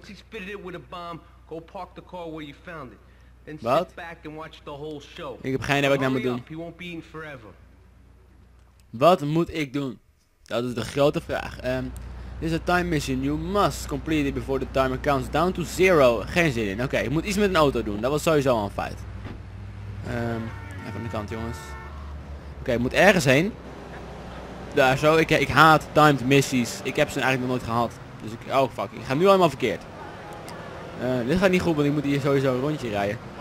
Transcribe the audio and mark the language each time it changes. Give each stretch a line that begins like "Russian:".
English: Once he spitted it with a bomb, go park the car where you found it. Then what? Sit back and watch the whole show.
Dutch: Ik heb geen idee wat ik nou moet doen.
English: He won't be eating forever.
Dutch: Wat moet ik doen? Dat is de grote vraag.
English: This is a time mission. You must complete it before the timer counts down to zero.
Dutch: Geen zin in. Okay, ik moet iets met een auto doen. Dat was sowieso al een feit. Even aan de kant, jongens. Okay, ik moet ergens heen. Daar zo, ik haat timed missies. Ik heb ze eigenlijk nog nooit gehad. Dus ik, oh fuck, ik ga nu helemaal verkeerd. Dit gaat niet goed, want ik moet hier sowieso een rondje rijden.